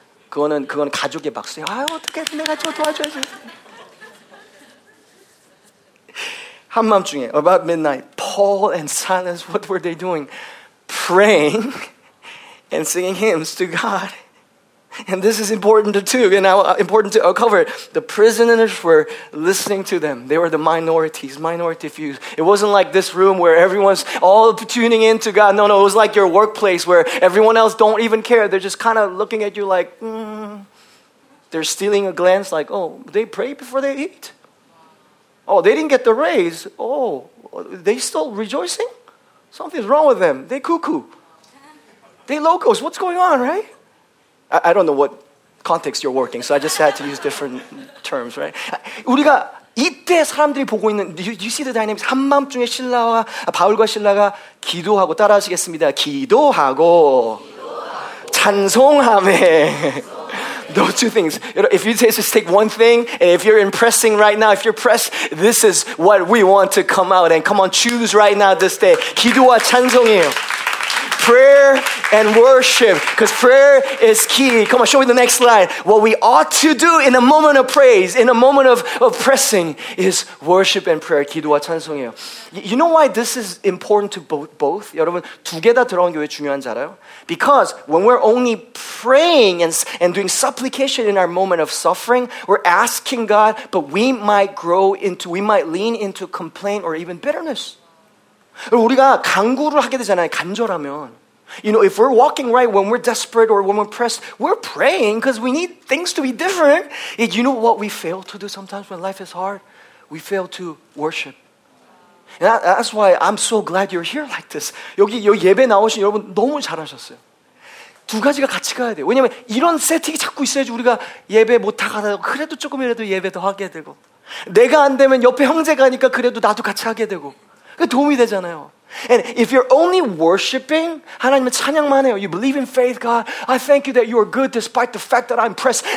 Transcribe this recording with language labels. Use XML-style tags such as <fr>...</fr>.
<ko>그거는 가족의 박수예요. 아, 어떻게 내가 저 도와줘야지. 한밤중에,</ko> <en>about midnight, Paul and Silas, what were they doing? Praying and singing hymns to God. And this is important too, and important to cover it. The prisoners were listening to them. They were the minority views. It wasn't like this room where everyone's all tuning in to God. No, it was like your workplace where everyone else don't even care. They're just kind of looking at you like, They're stealing a glance like, oh, they prayed before they eat? Oh, they didn't get the raise. Oh, they still rejoicing? Something's wrong with them. They cuckoo. They locos. What's going on, right? I don't know what context you're working, so I just had to use different terms, right?</en> <ko>우리가 이때 사람들이 보고 있는,</ko> <en>do you see the dynamics?</en> <ko>한밤중에 신라와, 바울과 신라가 기도하고, 따라하시겠습니다. 기도하고, 찬송함에.</ko> <en>Those two things. If you just take one thing, and if you're impressing right now, if you're pressed, this is what we want to come out and come on, choose right now this day.</en> <ko>기도와 찬송이에요.</ko> <en>Prayer and worship, because prayer is key. Come on, show me the next slide. What we ought to do in a moment of praise, in a moment of pressing, is worship and prayer.</en> <ko>기도와 찬송이에요.</ko> <en>You know why this is important to both?</en> <ko>여러분, 두 개 다 들어온 게 왜 중요한지 알아요?</ko> <en>Because when we're only praying and doing supplication in our moment of suffering, we're asking God, but we might lean into complaint or even bitterness.</en> <ko>우리가 간구를 하게 되잖아요, 간절하면.</ko> <en>You know, if we're walking right when we're desperate or when we're pressed, we're praying because we need things to be different. And you know what we fail to do sometimes when life is hard? We fail to worship. And that's why I'm so glad you're here like this.</en> <ko>여기 예배 나오신 여러분 너무 잘하셨어요. 두 가지가 같이 가야 돼요. 왜냐면 이런 세팅이 자꾸 있어야지 우리가 예배 못 하더라도 그래도 조금이라도 예배 더 하게 되고 내가 안 되면 옆에 형제 가니까 그래도 나도 같이 하게 되고 그 도움이 되잖아요.</ko> <en>And if you're only worshiping,</en> <ko>하나님은 찬양만 해요.</ko> <en>You believe in faith, God. I thank you that you are good despite the fact that I'm pressed.</en>